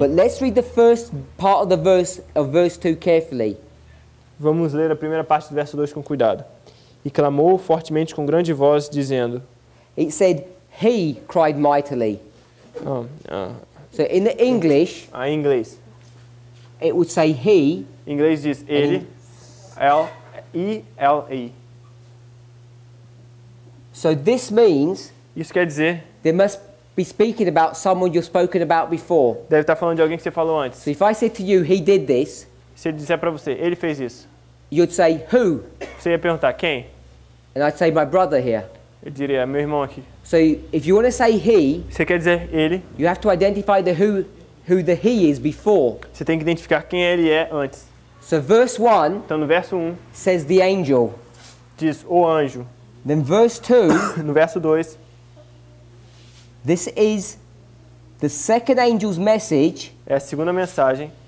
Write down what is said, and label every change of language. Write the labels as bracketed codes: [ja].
[en] But let's read the first part of the verse of verse 2 carefully. [pt] Vamos ler a primeira parte do verso 2 com cuidado. E clamou fortemente com grande voz, dizendo. [en] It said, he cried mightily. So in the English. [pt] Em inglês. [en] It would say he. [pt] Em inglês diz ele. L-E-L-E. [en] So this means. [pt] Isso quer dizer. [en] There must be speaking about someone you've spoken about before. [pt] Deve estar falando de alguém que você falou antes. [en] So if I said to you, he did this. [pt] Se eu disser para você, ele fez isso. [en] You'd say, who? [pt] Você ia perguntar, quem? [en] And I'd say, my brother here. [pt] Eu diria, meu irmão aqui. [en] So, if you want to say he, [pt] você quer dizer ele, [en] you have to identify the who the he is before. [pt] Você tem que identificar quem ele é antes. [en] So, verse 1, [pt] então, no verso 1, [en] says the angel. [pt] Diz, o anjo. [en] Then verse 2, [pt] no verso 2, [en] this is the second angel's message. [pt] É a segunda mensagem.